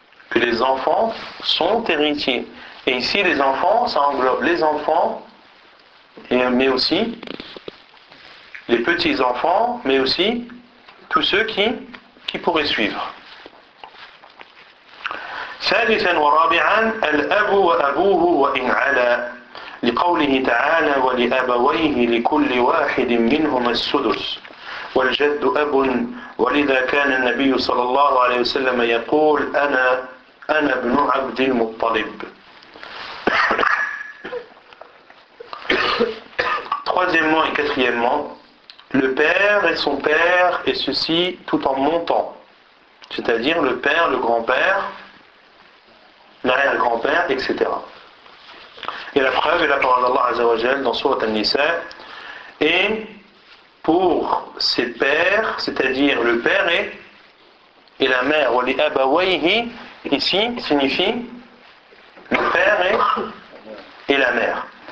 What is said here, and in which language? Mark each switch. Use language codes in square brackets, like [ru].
[fr] Que les enfants sont héritiers. Et ici, les enfants, ça englobe les enfants, mais aussi les petits-enfants, mais aussi tous ceux qui pourraient suivre. [ar] ثالثا ورابعا الأب وأبوه وإن علا لقوله تعالى ولأبويه لكل واحد منهما السدس والجد أب ولذا كان النبي صلى الله عليه وسلم يقول أنا ابن عبد المطلب. [fr] Troisièmement et quatrièmement, le père et son père et ceci tout en montant, c'est-à-dire le père, le grand-père, l'arrière-grand-père, etc. Et la preuve est la parole d'Allah Azza wa Jal dans Sourate An-Nisa. Et pour ses pères, c'est-à-dire le père et la mère, ou les abawayhi, ici, signifie le père et la mère.